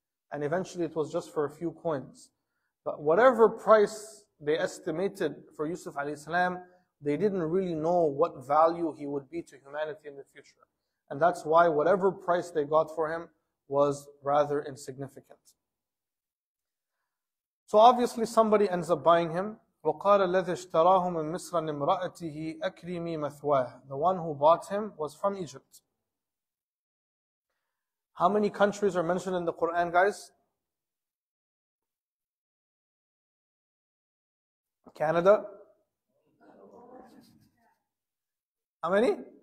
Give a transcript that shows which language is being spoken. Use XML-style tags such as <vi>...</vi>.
<en>And eventually it was just for a few coins. But whatever price they estimated for Yusuf alayhi salam, they didn't really know what value he would be to humanity in the future. And that's why whatever price they got for him was rather insignificant. So obviously somebody ends up buying him.</en> <ar>وقال الذي اشتراه من مصر لامرأته أكرمي مثواه.</ar> <en>The one who bought him was from Egypt. How many countries are mentioned in the Quran, guys? Canada? How many?</en>